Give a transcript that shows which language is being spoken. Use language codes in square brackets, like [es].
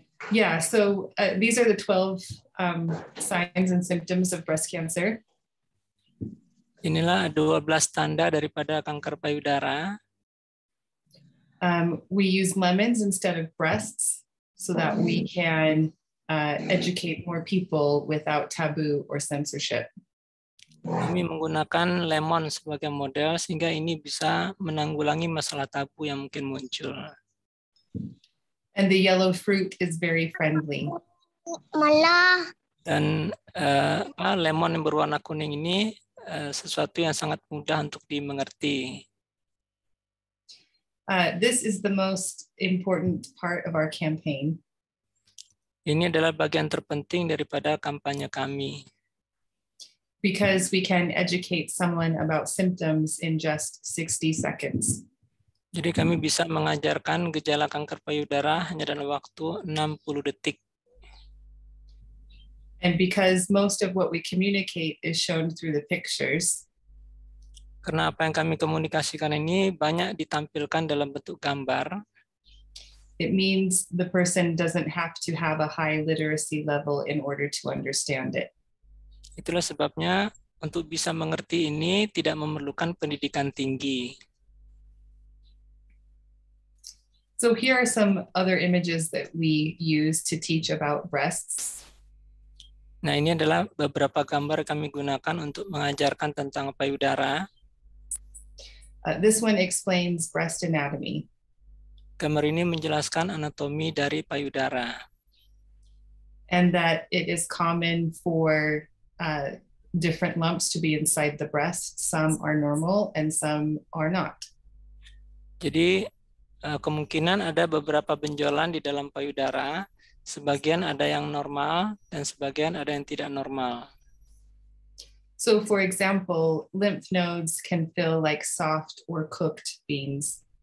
[en] These are the 12 signs and symptoms of breast cancer. [id] Inilah 12 tanda daripada kanker payudara. [en] We use lemons instead of breasts so that we can educate more people without taboo or censorship. [id] Kami menggunakan lemon sebagai model sehingga ini bisa menanggulangi masalah tabu yang mungkin muncul. [en] And the yellow fruit is very friendly. [id] Dan lemon yang berwarna kuning ini sesuatu yang sangat mudah untuk dimengerti. [en] This is the most important part of our campaign. [id] Ini adalah bagian terpenting daripada kampanye kami. [en] Because we can educate someone about symptoms in just 60 seconds. [id] Jadi kami bisa mengajarkan gejala kanker payudara hanya dalam waktu 60 detik. [en] And because most of what we communicate is shown through the pictures. [id] Karena apa yang kami komunikasikan ini banyak ditampilkan dalam bentuk gambar. [en] It means the person doesn't have to have a high literacy level in order to understand it. [id] Itulah sebabnya untuk bisa mengerti ini tidak memerlukan pendidikan tinggi. [en] So here are some other images that we use to teach about breasts. [id] Nah, ini adalah beberapa gambar kami gunakan untuk mengajarkan tentang payudara. [en] This one explains breast anatomy. [id] Gambar ini menjelaskan anatomi dari payudara. [en] And that it is common for different lumps to be inside the breast. Some are normal and some are not. [id] Jadi kemungkinan ada beberapa benjolan di dalam payudara, Sebagian ada yang normal dan sebagian ada yang tidak normal. [en] So for example, lymph nodes can feel like soft or cooked beans.